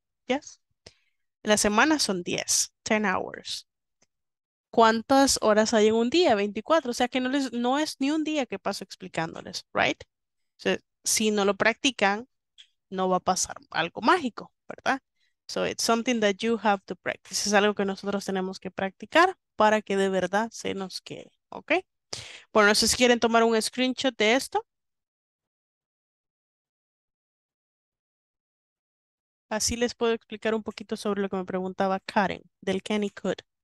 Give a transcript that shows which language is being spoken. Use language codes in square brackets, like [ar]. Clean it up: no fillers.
[es] Yes. La semana son 10, 10 hours. ¿Cuántas horas hay en un día? 24. O sea, que no es ni un día que paso explicándoles, right? O sea, si no lo practican, no va a pasar algo mágico, ¿verdad? [en] So it's something that you have to practice. [es] Es algo que nosotros tenemos que practicar para que de verdad se nos quede, ¿ok? Bueno, no sé si quieren tomar un screenshot de esto. Así les puedo explicar un poquito sobre lo que me preguntaba Karen, del Kenny Could.